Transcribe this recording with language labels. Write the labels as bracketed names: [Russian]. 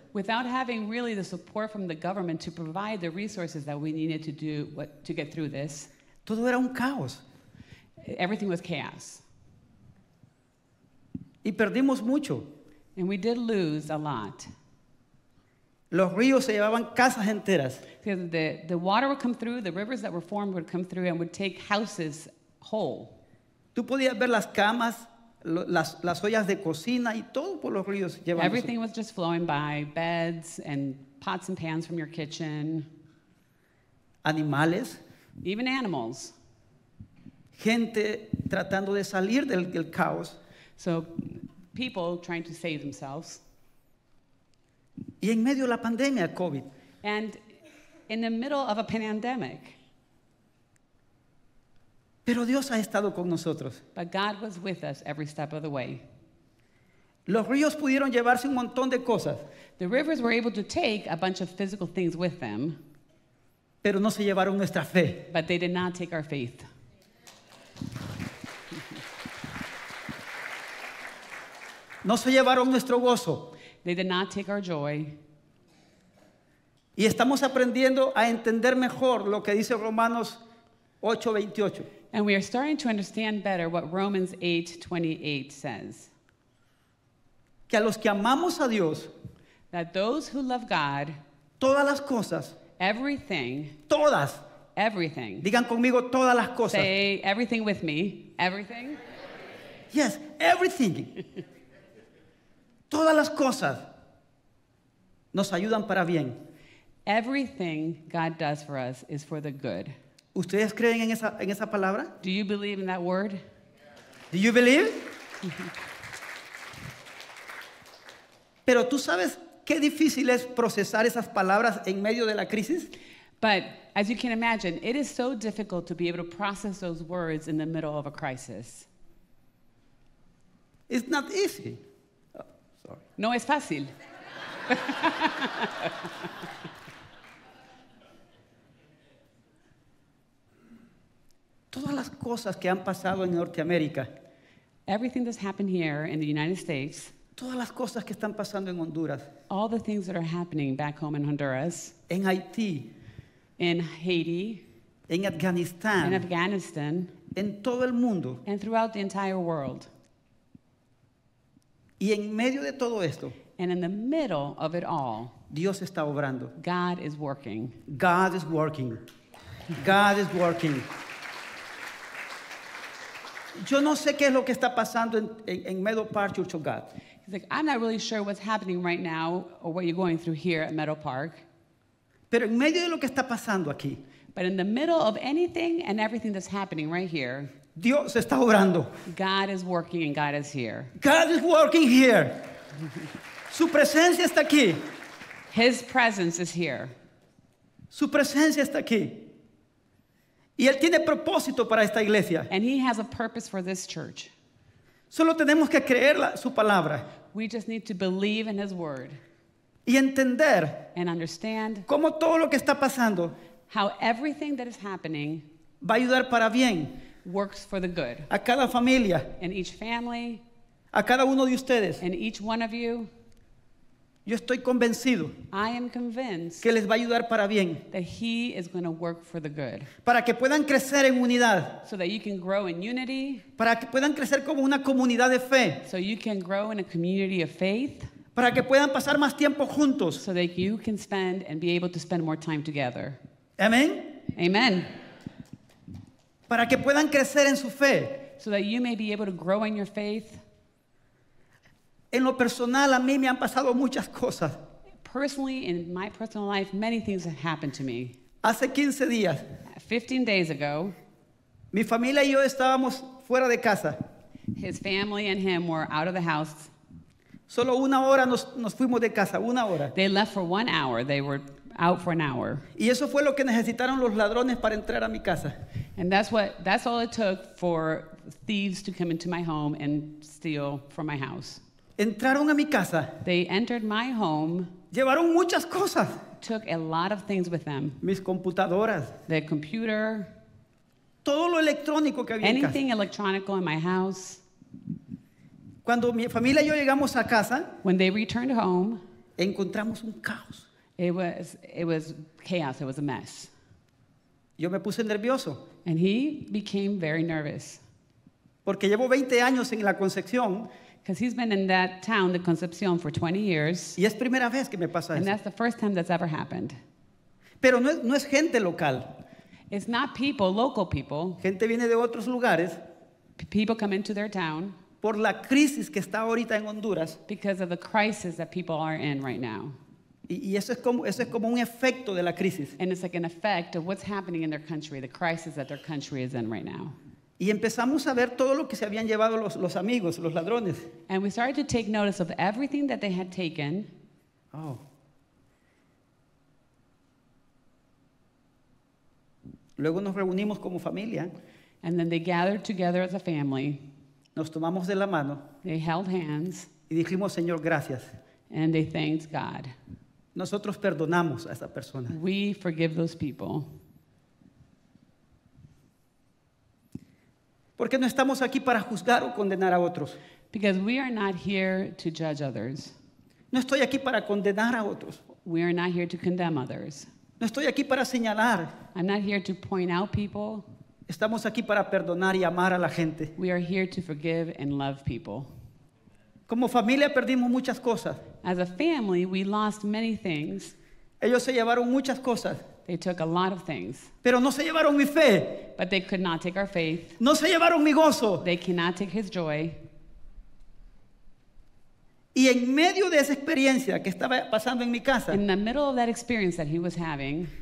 [English] Without having really the support from the government to provide the resources that we needed to do what, to get through this. [Spanish] Todo era un caos. [English] Everything was chaos. [Spanish] Y perdimos mucho. [English] And we did lose a lot. [Spanish] Los ríos se llevaban casas enteras. [English] Because the water would come through, the rivers that were formed would come through and would take houses whole. [Spanish] Tú podías ver las camas, las ollas de cocina y todo por los ríos llevándose. [English] Everything was just flowing by, beds and pots and pans from your kitchen. [Spanish] Animales. [English] Even animals. [Spanish] Gente tratando de salir del caos. [English] So people trying to save themselves. [Spanish] Y en medio de la pandemia, COVID. [English] And in the middle of a pandemic. [Spanish] Pero Dios ha estado con nosotros. [English] But God was with us every step of the way. [Spanish] Los ríos pudieron llevarse un montón de cosas. [English] The rivers were able to take a bunch of physical things with them. [Spanish] Pero no se llevaron nuestra fe. [English] But they did not take our faith. [Spanish] No se llevaron nuestro gozo. [English] They did not take our joy. [Spanish] Y estamos aprendiendo a entender mejor lo que dice Romanos 8:28. [English] And we are starting to understand better what Romans 8:28 says. [Spanish] Que a los que amamos a Dios, [English] that those who love God, [Spanish] todas las cosas, [English] everything, [Spanish] todas, [English] everything, [Spanish] digan conmigo todas las cosas. [English] Say everything with me, everything. Yes, everything. [Spanish] Todas las cosas nos ayudan para bien. [English] Everything God does for us is for the good. [Spanish] ¿Ustedes creen en esa palabra? [English] Do you believe in that word? Do you believe? [Spanish] Pero tú sabes qué difícil es procesar esas palabras en medio de la crisis. [English] But as you can imagine, it is so difficult to be able to process those words in the middle of a crisis. It's not easy. [Spanish] No es fácil. Todas las cosas que han pasado en Norteamérica. [English] Everything that's happened here in the United States. [Spanish] Todas las cosas que están pasando en Honduras. [English] All the things that are happening back home in Honduras. [Spanish] En Haití. [English] In Haiti. [Spanish] En Afganistán. [English] In Afghanistan. [Spanish] En todo el mundo. [English] And throughout the entire world. [Spanish] Y en medio de todo esto, [English] and in the middle of it all, [Spanish] Dios está obrando. [English] God is working. God is working. God is working. [Spanish] Yo no sé qué es lo que está pasando en Meadow Park, Church of God. [English] He's like, I'm not really sure what's happening right now or what you're going through here at Meadow Park. [Spanish] Pero en medio de lo que está pasando aquí, [English] but in the middle of anything and everything that's happening right here, [Spanish] Dios está obrando. [English] God is working and God is here. God is working here. [Spanish] Su presencia está aquí. [English] His presence is here. [Spanish] Su presencia está aquí. Y él tiene propósito para esta iglesia. [English] And he has a purpose for this church. [Spanish] Solo tenemos que creer su palabra. [English] We just need to believe in his word. [Spanish] Y entender [English] and understand [Spanish] cómo todo lo que está pasando [English] how everything that is happening [Spanish] va a ayudar para bien [English] works for the good. [Spanish] A cada familia. [English] In each family. [Spanish] A cada uno de ustedes. [English] In each one of you. [Spanish] Yo estoy convencido [English] I am convinced [Spanish] que les va a ayudar para bien. [English] That he is going to work for the good. [Spanish] Para que puedan crecer en unidad. [English] So that you can grow in unity. [Spanish] Para que puedan crecer como una comunidad de fe. [English] So you can grow in a community of faith. [Spanish] Para que puedan pasar más tiempo juntos. [English] So that you can spend and be able to spend more time together. Amen. Amen. [Spanish] Para que puedan crecer en su fe. [English] So that you may be able to grow in your faith. [Spanish] En lo personal, a mí me han pasado muchas cosas. [English] Personally, in my personal life, many things have happened to me. [Spanish] Hace 15 días. [English] 15 days ago. [Spanish] Mi familia y yo estábamos fuera de casa. [English] His family and him were out of the house. [Spanish] Solo una hora nos fuimos de casa, una hora. [English] They left for 1 hour. They were out for an hour. [Spanish] Y eso fue lo que necesitaron los ladrones para entrar a mi casa. [English] And that's all it took for thieves to come into my home and steal from my house. [Spanish] Entraron a mi casa. [English] They entered my home. [Spanish] Llevaron muchas cosas. [English] Took a lot of things with them. [Spanish] Mis computadoras. [English] The computer. [Spanish] Todo lo electrónico que había en casa. [English] Anything electronic in my house. [Spanish] Cuando mi familia y yo llegamos a casa, [English] when they returned home, [Spanish] encontramos un caos. [English] It was chaos. It was a mess. [Spanish] Yo me puse nervioso. [English] And he became very nervous. [Spanish] Porque llevo 20 años en la Concepción. [English] Because he's been in that town, the Concepción, for 20 years. [Spanish] Y es primera vez que me pasa [English] and [Spanish] eso. [English] That's the first time that's ever happened. [Spanish] Pero no es gente local. [English] It's not people, local people. [Spanish] Gente viene de otros lugares. [English] People come into their town. [Spanish] Por la crisis que está ahorita en Honduras. [English] Because of the crisis that people are in right now. [Spanish] Y eso es como un efecto de la crisis. [English] And it's like an effect of what's happening in their country, the crisis that their country is in right now. [Spanish] Y empezamos a ver todo lo que se habían llevado los amigos, los ladrones. [English] And we started to take notice of everything that they had taken. Oh. [Spanish] Luego nos reunimos como familia. [English] And then they gathered together as a family. [Spanish] Nos tomamos de la mano. [English] They held hands. [Spanish] Y dijimos, Señor, gracias. [English] And they thanked God. [Spanish] Nosotros perdonamos a esa persona. [English] We forgive those people. [Spanish] Porque no estamos aquí para juzgar o condenar a otros. [English] Because we are not here to judge others. [Spanish] No estoy aquí para condenar a otros. [English] We are not here to condemn others. [Spanish] No estoy aquí para señalar. [English] I'm not here to point out people. [Spanish] Estamos aquí para perdonar y amar a la gente. [English] We are here to forgive and love people. [Spanish] Como familia perdimos muchas cosas. [English] As a family, we lost many things. [Spanish] Ellos se llevaron muchas cosas. [English] They took a lot of things. [Spanish] Pero no se llevaron mi fe. [English] But they could not take our faith. [Spanish] No se llevaron mi gozo. [English] They cannot take his joy. [Spanish] Y en medio de esa experiencia que estaba pasando en mi casa, [English] in the middle of that experience that he was having,